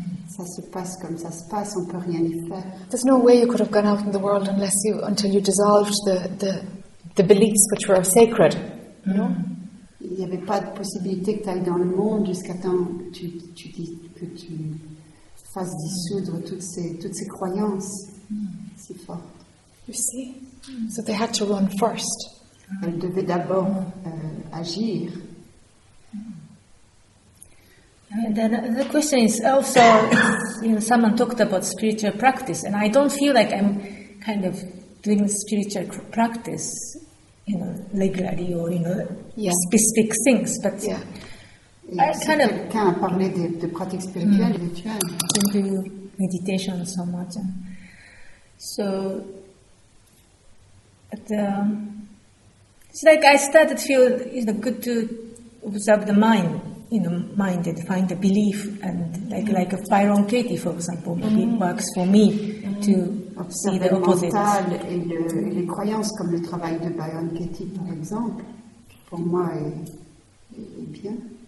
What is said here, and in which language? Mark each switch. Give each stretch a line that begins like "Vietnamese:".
French: Ça se passe comme ça se passe, on peut rien y faire.
English: There's no way you could have gone out in the world unless you until you dissolved the beliefs which were sacred.
French: Il n'y avait pas de possibilité que tu ailles dans le monde jusqu'à temps que tu fasses dissoudre toutes ces croyances si fortes.
English: You see? So they had to run first.
French: Elles devaient d'abord agir.
English: And then the question is also, someone talked about spiritual practice, and I don't feel like I'm kind of doing spiritual practice, regularly or specific things. But
French: quelqu'un a parlé de pratiques spirituelles, rituelles.
English: I'm doing meditation so much. So, it's like I started to feel good to observe the mind. Mind and find a belief and like a Byron Katie, for example, it works for me to
French: observer
English: see the opposite.
French: Mental et les croyances comme le travail de Byron Katie, par exemple, pour moi est bien.